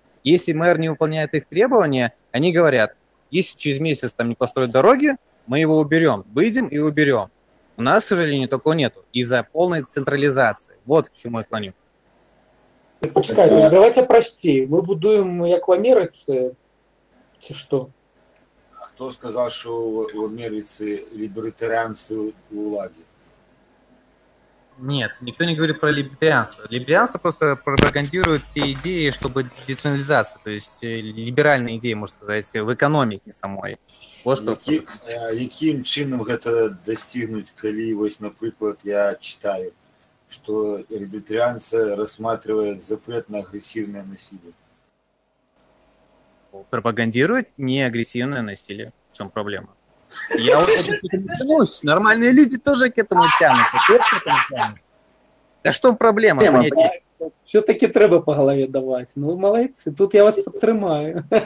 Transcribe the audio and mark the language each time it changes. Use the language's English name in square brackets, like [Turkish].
[Russian] Если мэр не выполняет их требования, они говорят, если через месяц там не построят дороги, мы его уберем, выйдем и уберем. У нас, к сожалению, такого нету из-за полной централизации. Вот к чему я клоню. [Ukrainian] Почекайте, [Russian] давайте прости, мы будем как в Америце, если что. [Ukrainian] Хто сказав, що в Америці лібертаріанці у владі? Ні, ніхто не говорить про лібертаріанство. Лібертаріанство просто пропагандує ті ідеї, щоб децентралізацію, [Russian] то есть [Ukrainian] ліберальні ідеї, можна сказати, в економіці самої. Вот яким чином це достигнуть, коли, ось, наприклад, я читаю, що лібертаріанці розглядають запрет на агресивне насилля? [Russian] Пропагандирует неагрессивное насилие. В чем проблема? Я вот это тянусь. Нормальные люди тоже к этому тянутся. Да что проблема? Все-таки [Ukrainian] треба [Russian] по голове давать. Ну, молодцы. [Ukrainian] Тут я вас подтримаю.